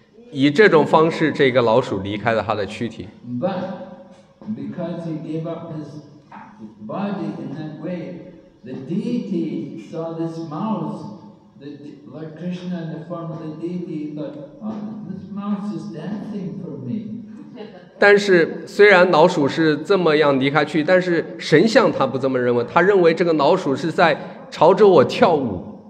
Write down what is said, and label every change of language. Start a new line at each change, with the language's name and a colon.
Chinese: 以这种方式，这个老鼠离开了他的躯体。
English: But because he gave up his body in that way, the deity saw this mouse, the Lord Krishna in the form of the deity thought, this mouse is dancing for me.
Chinese: 但是虽然老鼠是这么样离开去，但是神像他不这么认为，他认为这个老鼠是在朝着我跳舞。